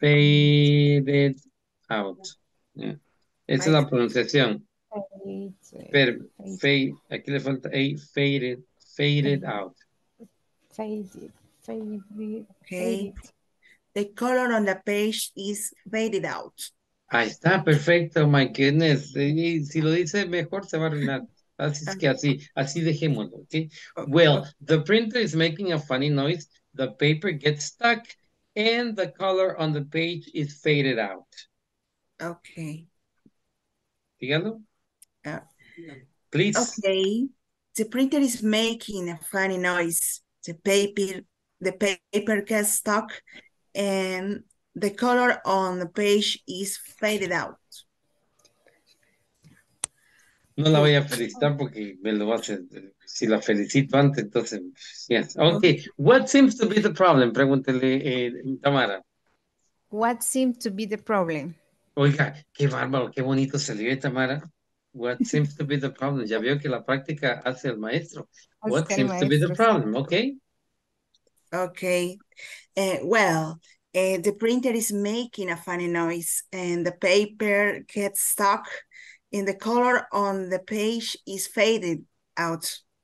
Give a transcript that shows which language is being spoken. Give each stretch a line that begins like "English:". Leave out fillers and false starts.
English: Faded out. Yeah.
Spanish: Esa es la pronunciación. Pero aquí le falta a faded out.
English: Faded. Okay. The color on the page is faded out.
Spanish: Ahí está, perfecto,
English: my goodness.
Spanish: Si lo dice mejor, se va a arruinar. Así es que así dejémoslo, ¿ok?
English: Well, the printer is making a funny noise, the paper gets stuck, and the color on the page is faded out. Okay.
Spanish: Dígalo. Please. Okay.
English: The printer is making a funny noise, the paper gets stuck, and the color on the page is faded out.
Spanish: No la voy a felicitar porque me lo va a hacer. Si la felicito antes, entonces,
English: yes. Okay, what seems to be the problem?
Spanish: Pregúntele, Tamara.
English: What seems to be the problem?
Spanish: Oiga, qué bárbaro, qué bonito se le ve, Tamara.
English: What seems to be the problem?
Spanish: Ya veo que la práctica hace el maestro.
English: What seems
Spanish: maestro,
English: to be the problem? Okay. Okay. The printer is making a funny noise and the paper gets stuck and the color on the page is faded out.